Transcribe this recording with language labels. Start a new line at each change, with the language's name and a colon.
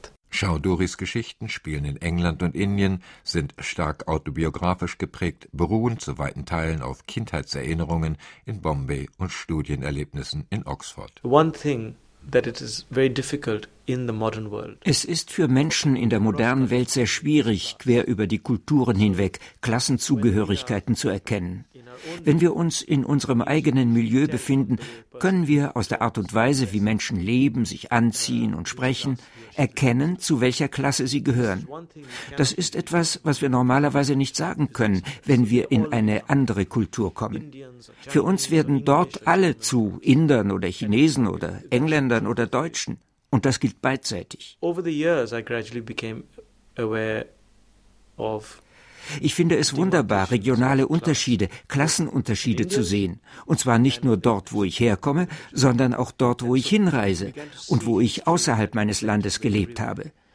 German: Chowdhurys Geschichten spielen in England und Indien, sind stark autobiografisch geprägt, beruhen zu weiten Teilen auf Kindheitserinnerungen in Bombay und Studienerlebnissen in Oxford.
English: One thing that it is very difficult in the modern world.
German: Es ist für Menschen in der modernen Welt sehr schwierig, quer über die Kulturen hinweg Klassenzugehörigkeiten zu erkennen. Wenn wir uns in unserem eigenen Milieu befinden, können wir aus der Art und Weise, wie Menschen leben, sich anziehen und sprechen, erkennen, zu welcher Klasse sie gehören. Das ist etwas, was wir normalerweise nicht sagen können, wenn wir in eine andere Kultur kommen. Für uns werden dort alle zu Indern oder Chinesen oder Engländern oder Deutschen. Und das gilt beidseitig.
English: Over the years I gradually became aware of.
German: Ich finde es wunderbar, regionale Unterschiede, Klassenunterschiede zu sehen. Und zwar nicht nur dort, wo ich herkomme, sondern auch dort, wo ich hinreise und wo ich außerhalb meines Landes gelebt habe.